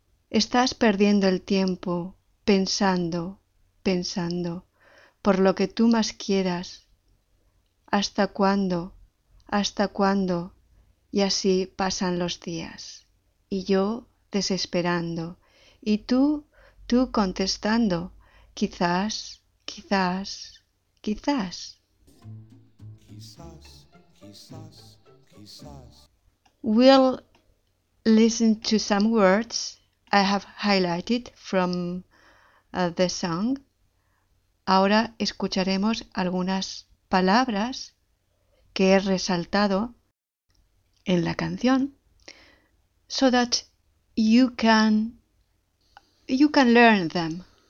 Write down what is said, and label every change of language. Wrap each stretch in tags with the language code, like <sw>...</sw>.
<es>Estás perdiendo el tiempo pensando, pensando, por lo que tú más quieras, hasta cuándo, hasta cuándo, y así pasan los días, y yo desesperando, y tú contestando, quizás, quizás, quizás. Quizás, quizás, quizás.</es> <en>We'll listen to some words I have highlighted from the song.</en> <es>Ahora escucharemos algunas palabras que he resaltado en la canción,</es> <en>so that you can learn them.</en>